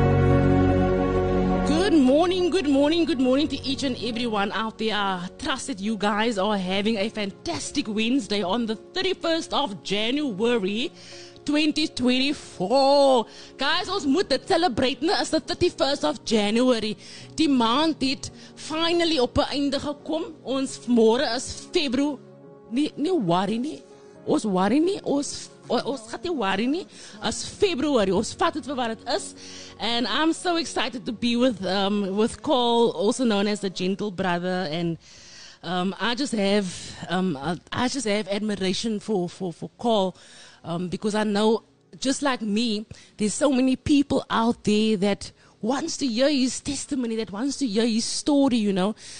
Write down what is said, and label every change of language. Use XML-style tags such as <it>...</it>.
<en>morning, good morning, good morning to each and everyone out there. I trust that you guys are having a fantastic Wednesday on the 31st of January 2024. Guys,</en> <af>ons moet dit</af> <en>celebrate as the 31st of January.</en> <af>Die maand het finally op 'n einde gekom. Ons môre is February. Nie worry nie. Ons worry nie. Ons gaat nie worry nie. As February. Ons vat het vir wat het is.</af> <en>And I'm so excited to be with Cole, also known as the Gentle Brother. And I just have admiration for Cole, because I know, just like me, there's so many people out there that wants to hear his testimony, that wants to hear his story, you know.</en>